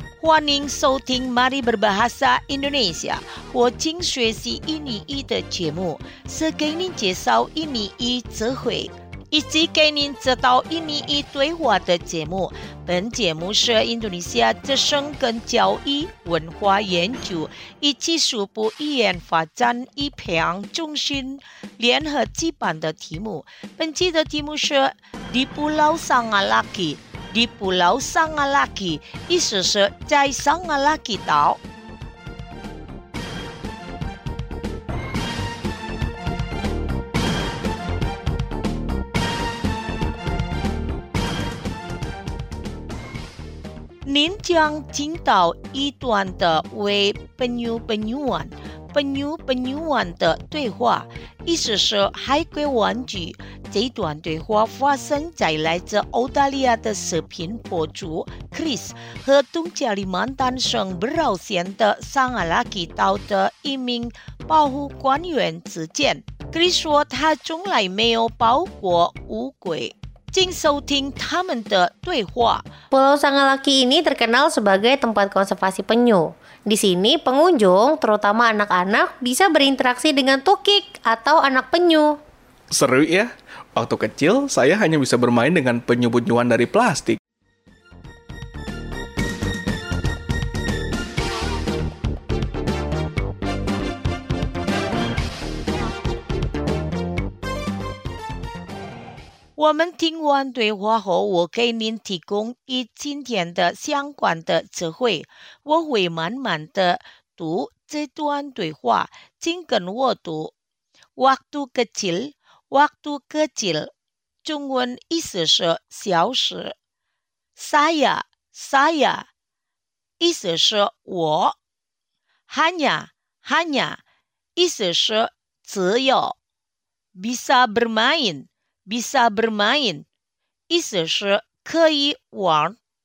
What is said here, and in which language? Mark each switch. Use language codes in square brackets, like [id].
[zh] 欢迎收听 Mari Berbahasa Indonesia 我精学习印尼语的节目，是给您介绍印尼语词汇，以及给您指导印尼语对话的节目。本节目是印度尼西亚之声跟教育文化研究以及数部语言发展与培养中心联合举办的题目。本期的题目是 Di Pulau Sangalaki。 Di Pulau Sangalaki 意思是在 Sangalaki 岛。您将听到一段的为 Penyu Penyuan 的对话，意思是海龟玩具。这段对话发生在来自澳大利亚的视频博主 Chris 和东加里曼丹省不饶县的桑阿拉基岛的一名保护官员之间。 Chris 说他从来没有抱过乌龟。请收听他们的对话。 [id] Pulau Sangalaki ini terkenal sebagai tempat konservasi penyu. Di sini pengunjung, terutama anak-anak, bisa berinteraksi dengan tukik atau anak penyu. Seru ya. Waktu kecil, saya hanya bisa bermain dengan penyu-penyuan dari plastik. [zh] 我们听完对话后，我给您提供与今天的相关的词汇。我会慢慢的读这段对话，请跟我读。 [id] Waktu kecil, waktu kecil， [zh] 中文意思是小时。 [id] Saya, saya， [zh] 意思是我。 [id] Hanya, hanya， [zh] 意思是只有。 [id] Bisa bermain。 Bisa bermain, [zh] 意思是可以玩。